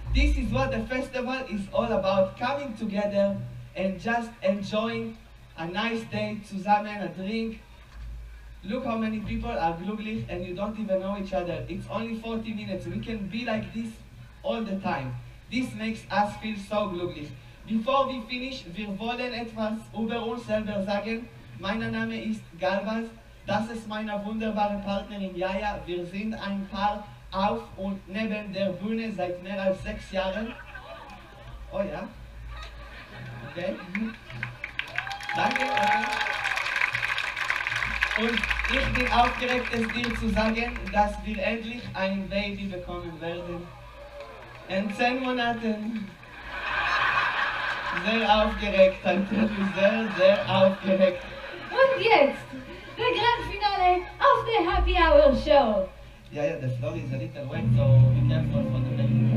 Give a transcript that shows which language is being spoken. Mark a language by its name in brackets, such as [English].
[English] This is what the festival is all about, coming together and just enjoying a nice day [German] zusammen, [English] a drink. Look how many people are [German] glücklich [English] and you don't even know each other. It's only 40 minutes. We can be like this all the time. This makes us feel so [German] glücklich. [English] Before we finish, [German] wir wollen etwas über uns selber sagen. Mein Name ist Galvas. Das ist meine wunderbare Partnerin Jaja. Wir sind ein Paar auf und neben der Bühne seit mehr als 6 Jahren. Oh ja. Okay. Danke. Und ich bin aufgeregt, es dir zu sagen, dass wir endlich ein Baby bekommen werden. in 10 Monaten. Sehr aufgeregt, Tante. Sehr, sehr aufgeregt. Und jetzt, der Grand Finale auf der Happy Hour Show. [English] Ja, the floor is a little wet, so be careful for the baby.